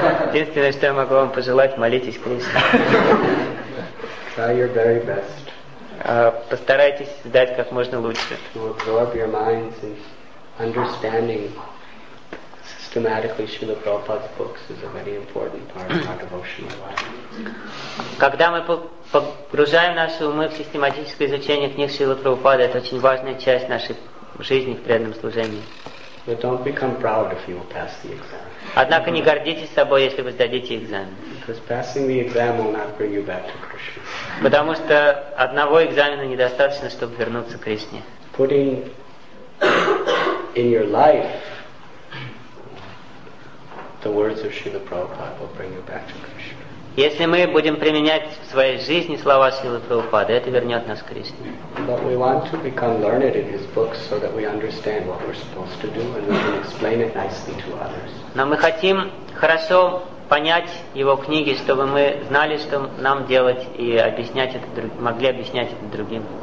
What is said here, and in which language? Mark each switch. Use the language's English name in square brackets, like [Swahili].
[Russian] Единственное, что я могу вам пожелать, молитесь Кришне. [English] Try your very best. [Russian] Постарайтесь сдать как можно лучше. [English] To absorb your minds in understanding systematically Srila Prabhupada's books is a very important part of our devotional life. [Russian] Когда мы погружаем наши умы в систематическое изучение книг Шрилы Прабхупады, это очень важная часть нашей жизни в преданном служении. [English] But don't become proud if you will pass the exam. [Russian] Однако не гордитесь собой, если вы сдадите экзамен. [English] Because passing the exam will not bring you back to Krishna. [Russian] Потому что одного экзамена недостаточно, чтобы вернуться к Кришне. [English] Putting in your life the words of Srila Prabhupada will bring you back to Krishna. [Russian] Если мы будем применять в своей жизни слова Шрилы Прабхупады, это вернет нас к Кришне. [English] But we want to become learned in his books so that we understand what we're supposed to do and we can explain it nicely to others. [Russian] Но мы хотим хорошо понять его книги, чтобы мы знали, что нам делать, и объяснять это другим, могли объяснять это другим.